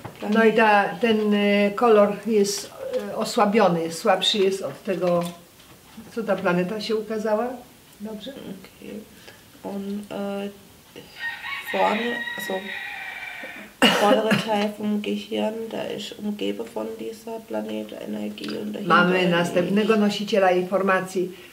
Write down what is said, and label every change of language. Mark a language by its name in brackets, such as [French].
[Polish] No i ten kolor jest osłabiony, słabszy jest od tego, co ta planeta się ukazała. Dobrze? Okay. [German] Und vorne, also vordere Teil vom Gehirn, da ist umgebe von dieser Planet Energie und dahinter. [Polish] Mamy następnego nosiciela informacji.